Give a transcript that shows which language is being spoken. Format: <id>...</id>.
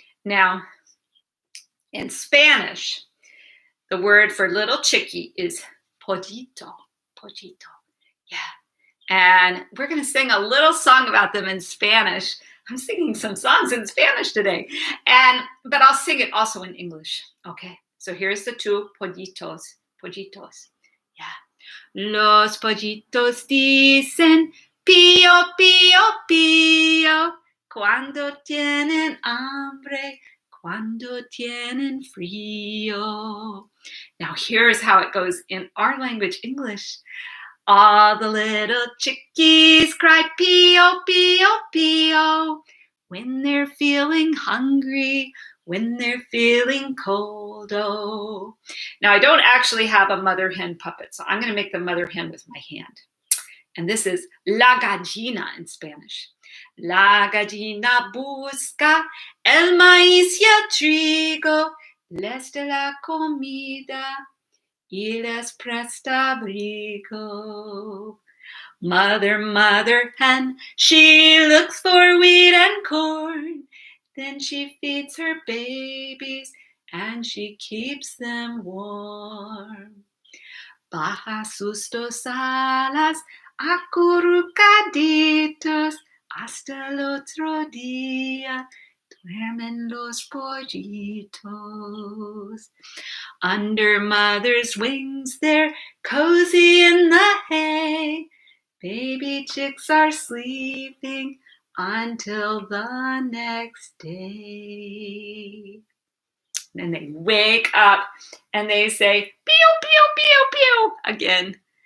<en>Now, in Spanish, the word for little chickie is pollito, pollito, yeah. And we're going to sing a little song about them in Spanish. I'm singing some songs in Spanish today, but I'll sing it also in English. Okay, so here's the two pollitos, pollitos, yeah.</en> <es>Los pollitos dicen pío, pío, pío, cuando tienen hambre. Cuando tienen frío.</es> <en>Now here's how it goes in our language, English. All the little chickies cry pío, pío, pío when they're feeling hungry, when they're feeling cold. Oh, now I don't actually have a mother hen puppet, so I'm going to make the mother hen with my hand. And this is la gallina in Spanish.</en> <es>La gallina busca el maíz y el trigo, les da la comida y les presta abrigo.</es> <en>Mother, mother hen, she looks for wheat and corn. Then she feeds her babies and she keeps them warm.</en> <es>Baja sus dos alas, acurrucaditos, hasta el otro día, duermen los pollitos.</es> <en>Under mother's wings, they're cozy in the hay. Baby chicks are sleeping until the next day. And then they wake up and they say, pew, pew, pew, pew, again.</en>